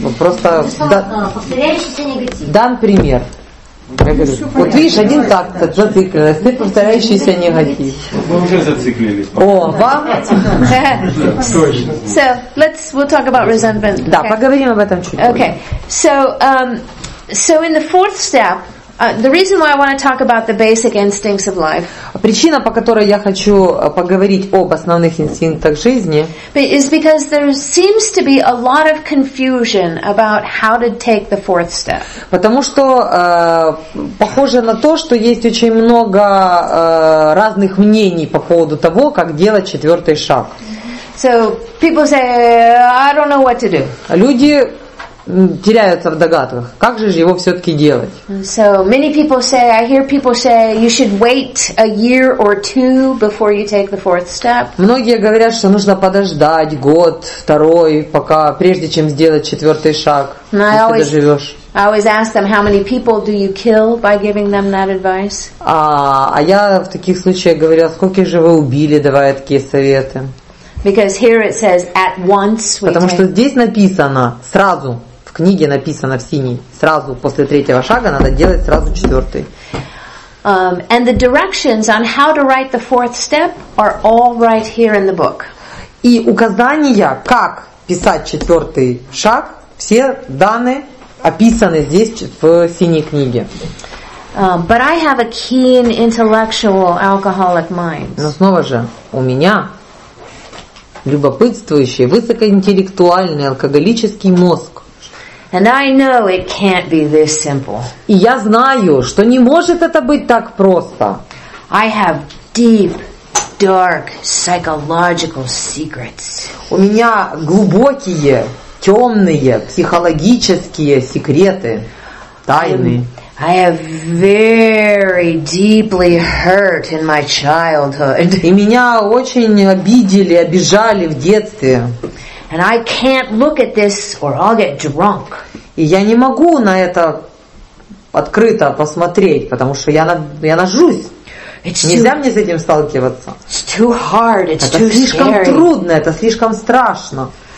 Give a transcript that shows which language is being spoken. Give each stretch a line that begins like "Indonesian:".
Russian: Просто повторяющийся негатив. Дан пример. Я говорю, вот понятно, видишь, один так зациклилась, ты повторяющийся негатив. Мы уже зациклились. О, вам?
English: So, let's, we'll talk about resentment.
Russian: Да, поговорим об этом чуть позже.
English: So, so in the fourth step, the reason why I want to talk about the basic instincts of life.
Russian: Причина, по которой я хочу поговорить об основных инстинктах жизни.
English: Is because there seems to be a lot of confusion about how to take the fourth step.
Russian: Потому что похоже на то, что есть очень много разных мнений по поводу того, как делать четвертый шаг.
English: So people say, I don't know what to do.
Russian: Люди теряются в догадках. Как же его все-таки делать?
English: So many people say, I hear people say, you should wait a year or two before you take the fourth step.
Russian: Многие говорят, что нужно подождать год, второй, пока, прежде чем сделать четвертый шаг, если доживешь.
English: I always ask them, how many people do you kill by giving them that advice?
Russian: А я в таких случаях говорю, сколько же вы убили, давая такие советы?
English: Because here it says at once.
Russian: Потому что здесь написано сразу. В книге написано в синий. Сразу после третьего шага надо делать сразу четвертый.
English: And the directions on how to write the fourth step are all right here in the book.
Russian: И указания, как писать четвертый шаг, все даны, описаны здесь в синей книге.
English: But I have a keen intellectual alcoholic mind.
Russian: Но снова же у меня любопытствующий, высокоинтеллектуальный, алкоголический мозг.
English: And I know it can't be this simple.
Russian: И я знаю, что не может это быть так просто.
English: I have deep, dark psychological secrets.
Russian: У меня глубокие, темные психологические секреты, тайны.
English: I have very deeply hurt in my childhood.
Russian: И меня очень обидели, обижали в детстве.
English: And I can't look at this or I'll get drunk.
Russian: И я не могу на это открыто посмотреть, потому что я нажрусь. Нельзя мне с этим сталкиваться.
English: It's too hard, it's too scary.
Russian: Это слишком трудно, это слишком страшно.